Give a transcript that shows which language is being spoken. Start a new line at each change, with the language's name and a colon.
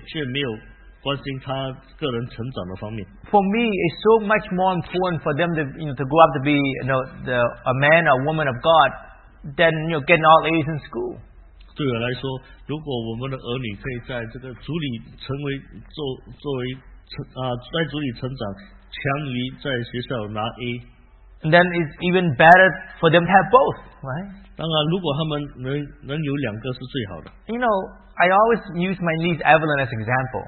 Chinese: 所以很多时候，作为亚洲人，我们着重于在儿子的儿子或女儿的他们的成绩上面，却没有关心他个人成长的方面。
English: For me, it's so much more important for them to grow up to be, you know, a man or woman of God than, you know, getting all A's in school.
Chinese: 对我来说，如果我们的儿女可以在这个组里成为，在组里成长，强于在学校拿 A。
English: And then it's even better for them to have both, right?
Chinese: 当然，如果他们能有两个是最好的。
English: You know, I always use my niece Evelyn as an example.